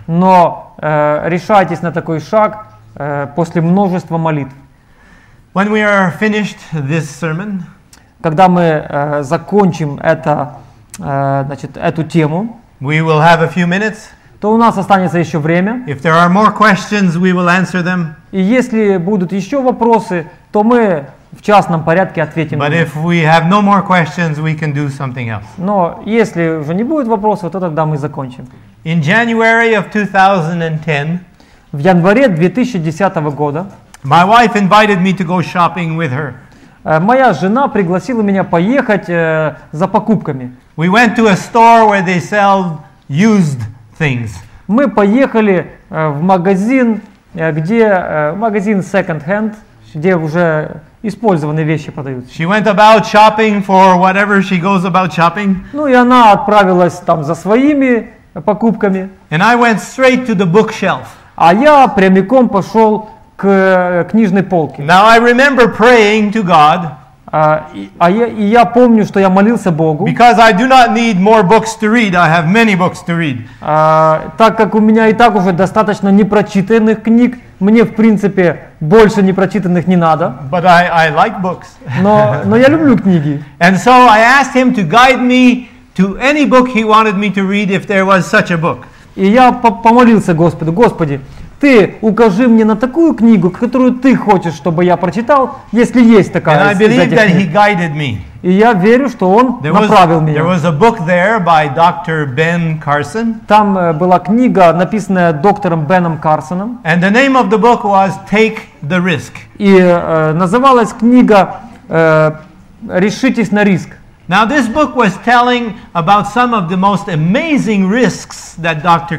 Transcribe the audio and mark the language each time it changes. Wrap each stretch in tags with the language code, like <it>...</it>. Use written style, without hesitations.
<ru>Но решайтесь на такой шаг после множества молитв.</ru> <en>When we are finished this sermon,</en> <ru>когда мы закончим это, значит, эту тему,</ru> <en>we will have a few minutes,</en> <ru>то у нас останется еще время.</ru> <en>If there are more questions, we will answer them.</en> <ru>И если будут еще вопросы, то мы в частном порядке ответим.</ru> <en>But if we have no more questions, we can do something else.</en> <ru>Но если уже не будет вопросов, то тогда мы закончим.</ru> <en>In January of 2010,</en> <ru>в январе 2010 года,</ru> <en>my wife invited me to go shopping with her.</en> <ru>Моя жена пригласила меня поехать за покупками.</ru> <en>We went to a store where they sell used things.</en> <ru>Мы поехали в магазин, где магазин second-hand, где уже использованные вещи продают.</ru> <en>She went about shopping for whatever she goes about shopping.</en> <ru>Ну и она отправилась там за своими покупками.</ru> <en>And I went straight to the bookshelf.</en> <ru>А я прямиком пошел к книжной полке.</ru> <en>Now I remember praying to God.</en> <ru>Я помню, что я молился Богу.</ru> <en>Because I do not need more books to read. I have many books to read.</en> <ru>Так как у меня и так уже достаточно непрочитанных книг. Мне, в принципе, больше непрочитанных не надо.</ru> <en>But I like books.</en> <ru>Но я люблю книги.</ru> <en>And so I asked him to guide me to any book he wanted me to read, if there was such a book.</en> <ru>И я помолился Господу. Господи, Ты укажи мне на такую книгу, которую Ты хочешь, чтобы я прочитал, если есть такая книга.</ru> <en>And I believe that he guided me.</en> <ru>И я верю, что Он направил меня.</ru> <en>There was a book there by Dr. Ben Carson.</en> <ru>Там была книга, написанная доктором Беном Карсоном.</ru> <en>And the name of the book was Take the Risk.</en> <ru>И называлась книга «Решитесь на риск».</ru> <en>Now this book was telling about some of the most amazing risks that Dr.</en>